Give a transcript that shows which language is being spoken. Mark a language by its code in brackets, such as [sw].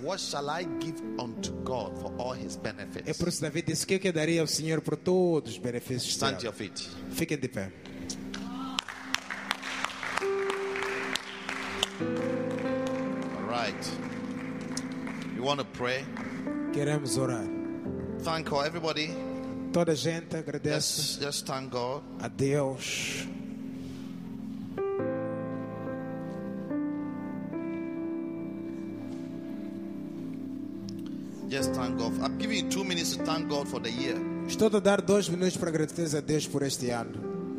[en] What shall I give unto God for all His benefits? [pt] É por isso David disse que eu daria ao Senhor por todos os benefícios. [en] Stand to your feet. [pt] Fiquem de pé. [en] All right. You want to pray? [pt] Queremos orar. [en] Thank God, everybody. [pt] Toda a gente agradece. [en] Just thank God. [pt] A Deus. [en] Just thank God. I'm giving you 2 minutes to thank God for the year. [pt] Estou a dar 2 minutos para agradecer a Deus por este ano.